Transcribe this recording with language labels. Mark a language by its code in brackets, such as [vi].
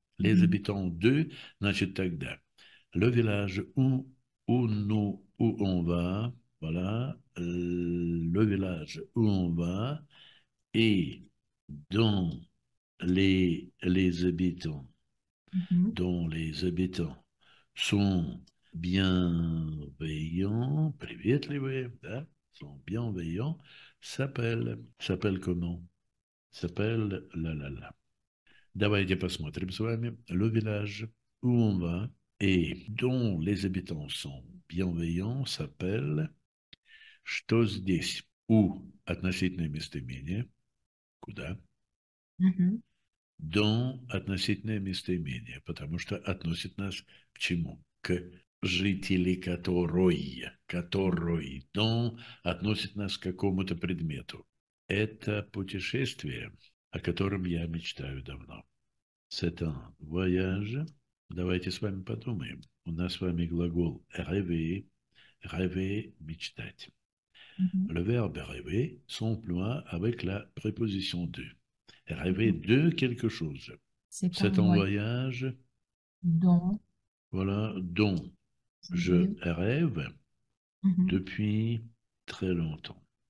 [fr] Les habitants de, [ru] значит, тогда. [fr] Le village où nous, où on va, voilà, le village où on va, et dont les habitants, dont les habitants sont bienveillants, [ru] приветливые, да, [fr] sont bienveillants, s'appelle comment? S'appelle la la la. [ru] Давайте посмотрим с вами [fr] le village où on va et dont les habitants sont bienveillants s'appelle [ru] что здесь? [fr] Où? [ru] Относительное местоимение. Куда? Dont относительное местоимение, потому что относит нас к чему? К жители которой. Которой. Dont относит нас к какому-то предмету. Это путешествие, о котором я мечтаю давно. [fr] C'est un voyage. [ru] Давайте с вами подумаем. У нас с вами глагол rêver. [fr] Rêver, мечтать. Le verbe rêver s'emploie avec la préposition de. Rêver de quelque chose. C'est un C'est un moyen voyage, dont voilà, dont je j'ai rêve depuis très longtemps.